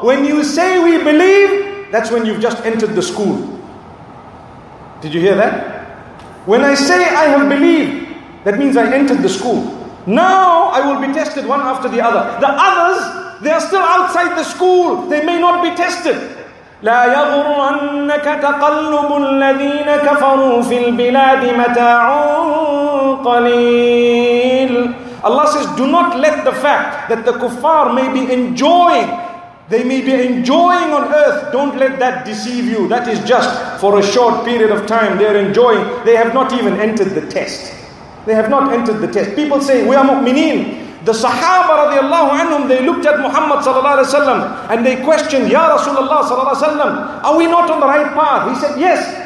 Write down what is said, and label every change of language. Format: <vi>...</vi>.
<en>When you say we believe, that's when you've just entered the school. Did you hear that? When I say I have believed, that means I entered the school. Now I will be tested one after the other. The others, they are still outside the school. They may not be tested.</en> <ar>لا يغرنك تقلب الذين كفروا في البلاد متاع قليل.</ar> <en>Allah says, do not let the fact that the kuffar may be enjoying, they may be enjoying on earth, don't let that deceive you. That is just for a short period of time. They are enjoying. They have not even entered the test. They have not entered the test. People say, we are mu'mineen. The Sahaba radiallahu anhum, they looked at Muhammad sallallahu alayhi wa sallam and they questioned, Ya Rasulullah sallallahu alayhi wa sallam, are we not on the right path? He said, yes.</en>